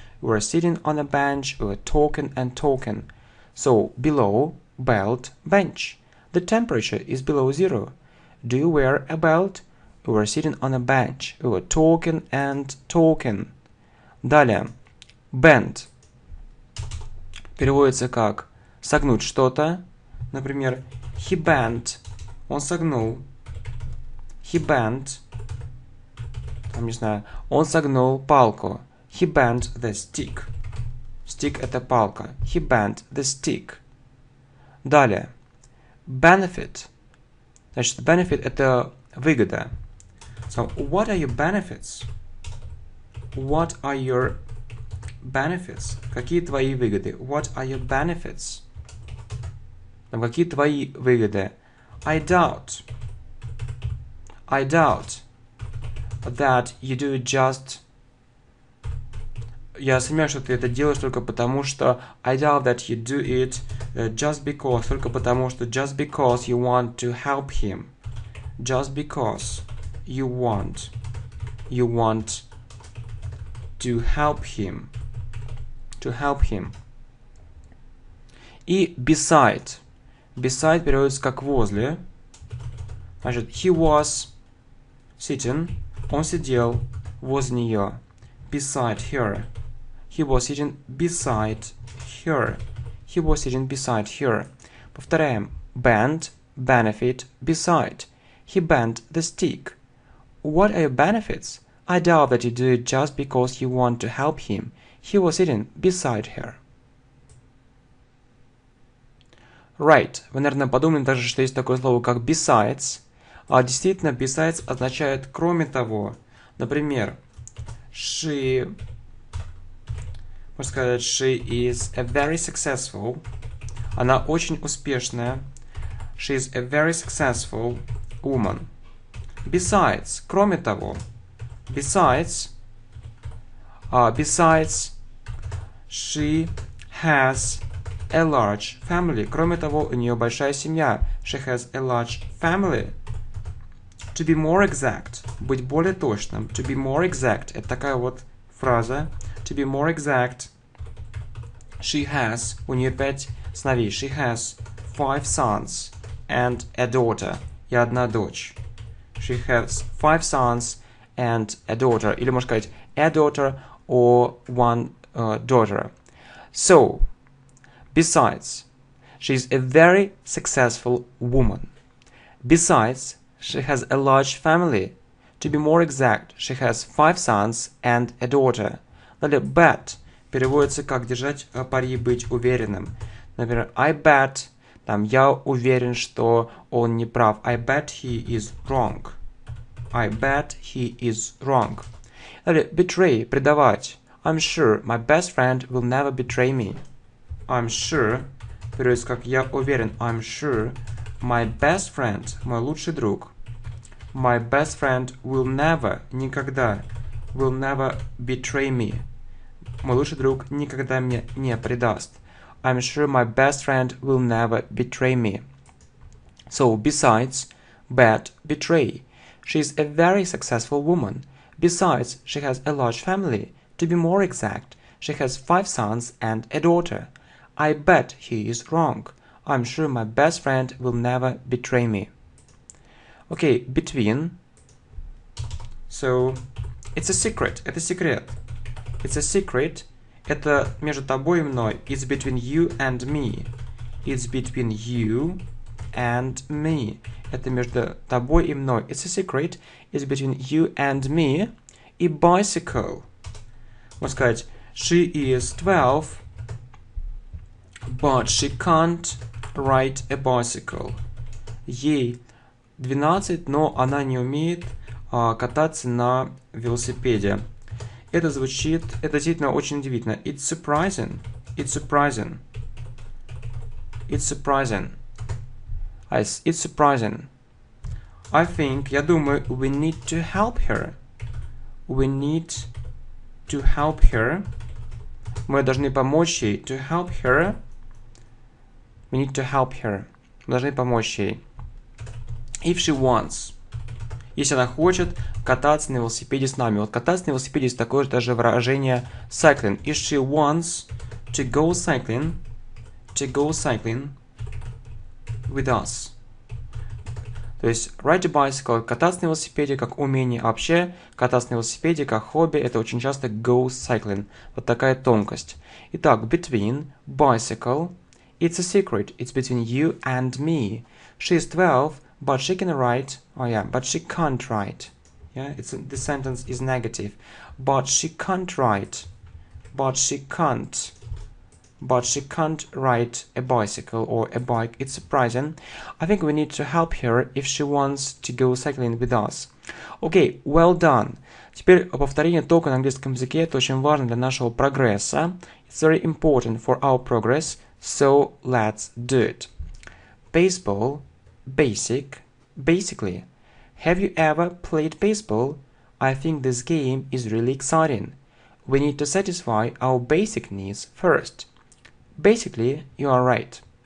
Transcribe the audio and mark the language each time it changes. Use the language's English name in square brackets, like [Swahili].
[English] We were sitting on a bench. We were talking and talking. So, below. Belt, bench. The temperature is below zero. Do you wear a belt? We were sitting on a bench. We were talking and talking. [Russian] Далее. [English] Bend. [Russian] Переводится как согнуть что-то. Например, [English] he bent. [Russian] Он согнул. [English] He bent. [Russian] Там, не знаю, он согнул палку. [English] He bent the stick. [Russian] Stick – это палка. [English] He bent the stick. [Russian] Далее. [English] Benefit. [Russian] Значит, benefit – это выгода. [English] So, what are your benefits? What are your benefits? [Russian] Какие твои выгоды? [English] What are your benefits? [Russian] Там, какие твои выгоды? [English] I doubt. I doubt that you do it just... [Russian] Я сомневаюсь, что ты это делаешь только потому, что [English] I doubt that you do it just because, [Russian] только потому, что [English] just because you want to help him. Just because you want to help him. To help him. [Russian] И [English] beside. [Russian] Beside переводится как возле. Значит, [English] he was sitting. [Russian] Он сидел возле нее. [English] Beside her. He was sitting beside her. He was sitting beside her. [Russian] Повторяем. Bend, benefit, beside. [English] He bent the stick. What are your benefits? I doubt that you do it just because you want to help him. He was sitting beside her. Right. [Russian] Вы, наверное, подумали даже, что есть такое слово, как besides. А действительно, besides означает кроме того. Например, [English] she... [Russian] Можно сказать, [English] she is a very successful. [Russian] Она очень успешная. [English] She is a very successful woman. Besides, [Russian] кроме того. [English] Besides, besides, she has a large family. [Russian] Кроме того, у нее большая семья. [English] She has a large family. To be more exact, [Russian] быть более точным. [English] To be more exact, [Russian] это такая вот фраза. [English] To be more exact, she has, [Russian] у нее 5 сыновей. [English] She has 5 sons and a daughter. [Russian] И одна дочь. [English] She has 5 sons and a daughter. [Russian] Или можно сказать [English] a daughter or one daughter. So, besides, she is a very successful woman. Besides, she has a large family. To be more exact, she has 5 sons and a daughter. [Russian] Далее, bet переводится как держать пари, быть уверенным. Например, [English] I bet, [Russian] там, я уверен, что он не прав. [English] I bet he is wrong. I bet he is wrong. [Russian] Далее, betray, предавать. [English] I'm sure my best friend will never betray me. I'm sure, [Russian] переводится как я уверен. [English] I'm sure my best friend, [Russian] мой лучший друг. [English] My best friend will never, никогда, will never betray me. [Russian] Мой лучший друг никогда меня не предаст. [English] I'm sure my best friend will never betray me. So, besides, bet, betray. She is a very successful woman. Besides, she has a large family. To be more exact, she has 5 sons and a daughter. I bet he is wrong. I'm sure my best friend will never betray me. Okay, between. So, it's a secret. [Russian] Это секрет. [English] It's a secret. [Russian] Это между тобой и мной. [English] It's between you and me. It's between you and me. [Russian] Это между тобой и мной. [English] It's a secret. It's between you and me. [Russian] И [English] bicycle. [Russian] Можно сказать, [English] she is 12, but she can't ride a bicycle. [Russian] Ей 12, но она не умеет кататься на велосипеде. Это звучит, это действительно очень удивительно. [English] It's surprising. It's surprising. It's surprising. It's surprising. I think, [Russian] я думаю, [English] we need to help her. We need to help her. [Russian] Мы должны помочь ей. [English] To help her. We need to help her. Мы должны помочь ей. If she wants. [Russian] Если она хочет кататься на велосипеде с нами. Вот кататься на велосипеде есть такое же даже выражение [English] cycling. If she wants to go cycling with us. [Russian] То есть [English] ride a bicycle, [Russian] кататься на велосипеде как умение, а вообще кататься на велосипеде как хобби, это очень часто [English] go cycling. [Russian] Вот такая тонкость. Итак, between, bicycle, it's a secret, it's between you and me. [English] She's 12, but she can write, oh yeah, but she can't write. Yeah, it's the sentence is negative. But she can't write. But she can't. But she can't ride a bicycle or a bike. It's surprising. I think we need to help her if she wants to go cycling with us. Okay, well done. [Russian] Теперь повторение только на английском языке. Это очень важно для нашего прогресса. [English] It's very important for our progress. So let's do it. Baseball. Basic. Basically. Have you ever played baseball? I think this game is really exciting. We need to satisfy our basic needs first. Basically, you are right.